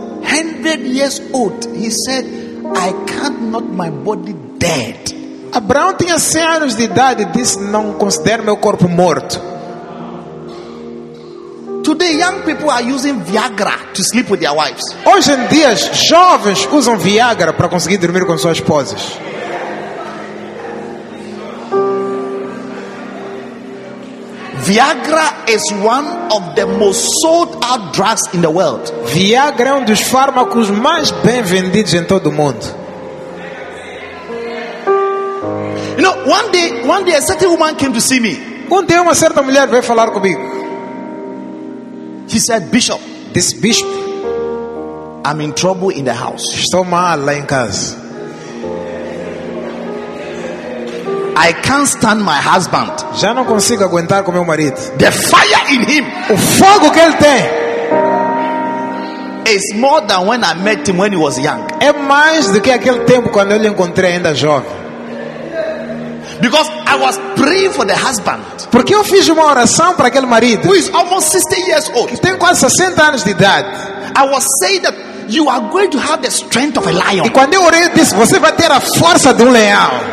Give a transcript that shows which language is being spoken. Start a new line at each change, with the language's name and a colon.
English: 100 years old, he said, I can't not my body dead.
Portuguese: Abraão tinha 100 anos de idade e disse, não considero meu corpo morto.
English: Today, young people are using Viagra to sleep with their wives.
Portuguese: Hoje em dia, jovens usam Viagra para conseguir dormir com suas esposas.
English: Viagra is one of the most sold out drugs in the world.
Portuguese: Viagra é um dos fármacos mais bem vendidos em todo o mundo.
English: You know, one day a certain woman came to see me.
Portuguese: Um dia uma certa mulher veio falar comigo.
English: She said, Bishop, this bishop, I'm in trouble in the house.
Portuguese: Estou mal lá em casa.
English: I can't stand my husband.
Portuguese: Já não consigo aguentar com meu marido.
English: The fire in him.
Portuguese: O fogo que ele tem.
English: It's more than when I met him when he was young.
Portuguese: É mais do que aquele tempo quando eu lhe encontrei ainda jovem.
English: Because I was praying for the husband.
Portuguese: Porque eu fiz uma oração para aquele marido.
English: Who is almost 60 years old.
Portuguese: Tem quase 60 anos de idade.
English: I was saying that you are going to have the strength of a lion.
Portuguese: E quando eu orei disse, você vai ter a força de leão.